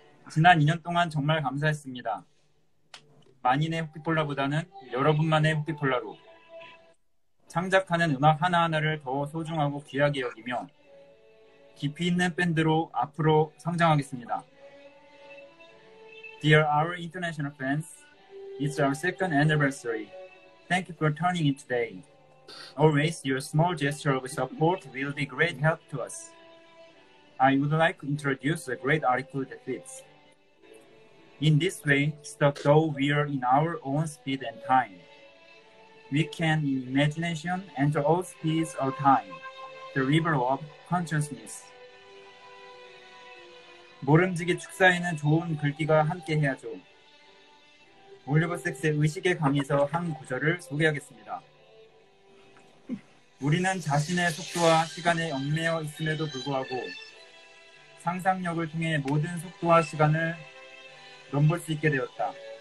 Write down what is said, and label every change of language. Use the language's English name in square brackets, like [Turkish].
[Korean] 지난 2년 동안 정말 감사했습니다. 만인의 호피폴라보다는 여러분만의 호피폴라로 창작하는 음악 하나하나를 더 소중하고 귀하게 여기며 깊이 있는 밴드로 앞으로 성장하겠습니다. [English] Dear our international fans, it's our second anniversary. Thank you for tuning in today. Always, your small gesture of support will be great help to us. I would like to introduce a great article that fits. In this way, stuck though we are in our own speed and time, we can in imagination enter all speeds of time, the river of consciousness. [Korean] 모름지기 축사에는 좋은 글귀가 함께 해야죠. 올리버섹스의 의식에 강해서 한 구절을 소개하겠습니다. 우리는 자신의 속도와 시간에 얽매여 있음에도 불구하고 상상력을 통해 모든 속도와 시간을 넘볼 수 있게 되었다.